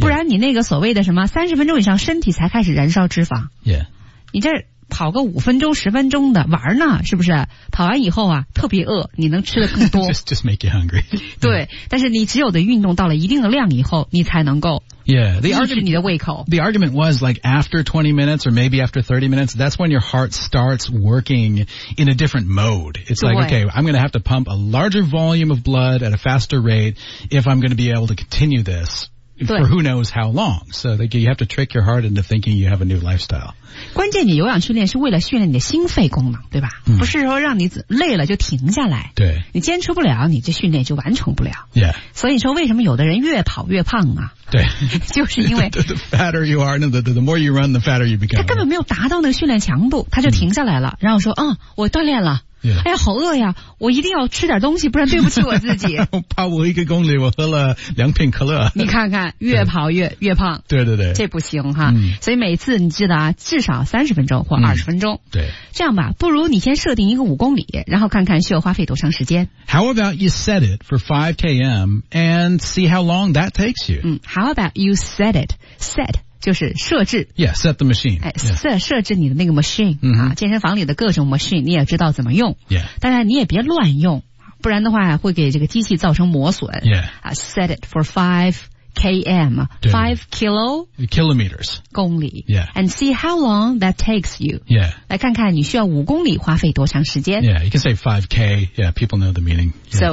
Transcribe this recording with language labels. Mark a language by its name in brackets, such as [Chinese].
[Chinese] 不然你那个所谓的什么30分钟以上身体才开始燃烧脂肪、 [English] yeah. [Chinese] 你这跑个5分钟10分钟的玩呢是不是跑完以后啊特别饿你能吃得更多 [English] just make you hungry、yeah. [Chinese] 对但是你只有的运动到了一定的量以后你才能够 [English] Yeah, the argument, [Chinese] 你的胃口。 [English] The argument was like after 20 minutes or maybe after 30 minutes, that's when your heart starts working in a different mode. It's like, okay, I'm going to have to pump a larger volume of blood at a faster rate if I'm going to be able to continue this. For who knows how long. So like, you have to trick your heart into thinking you have a new lifestyle. [Chinese] 关键你有氧训练是为了训练你的心肺功能对吧、 [English] mm. [Chinese] 不是说让你累了就停下来对你坚持不了你这训练就完成不了 [English] Yeah. [Chinese] 所以说为什么有的人越跑越胖啊对就是因为 [English] the fatter you are, the more you run, the fatter you become. [Chinese] 他根本没有达到那个训练强度他就停下来了、mm. 然后说嗯我锻炼了 [English] Yeah. [Chinese] 哎呀好饿呀我一定要吃点东西不然对不起我自己。跑我一个公里我喝了两瓶可乐。你看看越跑越胖。对对对。这不行哈。所以每次你记得啊至少30分钟或20分钟。对。这样吧不如你先设定一个5公里然后看看需要花费多长时间。 [English] How about you set it for 5km and see how long that takes you? How about you set it? Set. [Chinese] 就是设置 [English] Yeah, set the machine、 [Chinese] 哎 yeah. 设置你的那个 machine、 [English] mm-hmm. [Chinese] 啊、健身房里的各种 machine 你也知道怎么用、 [English] yeah. [Chinese] 当然你也别乱用不然的话会给这个机器造成磨损、 [English] yeah. Set it for 5 km 5 kilo kilometers [Chinese] 公里、 [English] yeah. And see how long that takes you、 yeah. [Chinese] 来看看你需要5公里花费多长时间 [English] Yeah, you can say 5k Yeah, people know the meaning、yeah.